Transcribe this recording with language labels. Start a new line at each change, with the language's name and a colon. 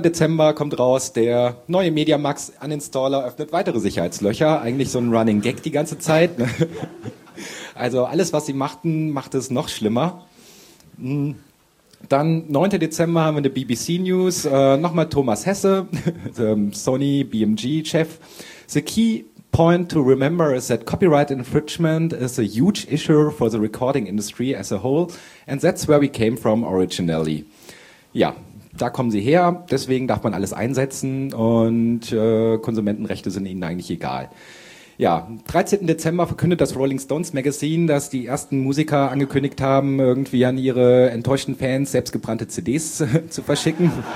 German: Dezember kommt raus, der neue MediaMax Uninstaller öffnet weitere Sicherheitslöcher. Eigentlich so ein Running Gag die ganze Zeit. Also alles, was sie machten, macht es noch schlimmer. Dann 9. Dezember haben wir eine BBC News. Nochmal Thomas Hesse, Sony BMG-Chef.
English: The key point to remember is that copyright infringement is a huge issue for the recording industry as a whole, and that's where we came from originally.
German: Ja, da kommen sie her, deswegen darf man alles einsetzen und Konsumentenrechte sind ihnen eigentlich egal. Ja, 13. Dezember verkündet das Rolling Stones Magazine, dass die ersten Musiker angekündigt haben, irgendwie an ihre enttäuschten Fans selbstgebrannte CDs zu verschicken.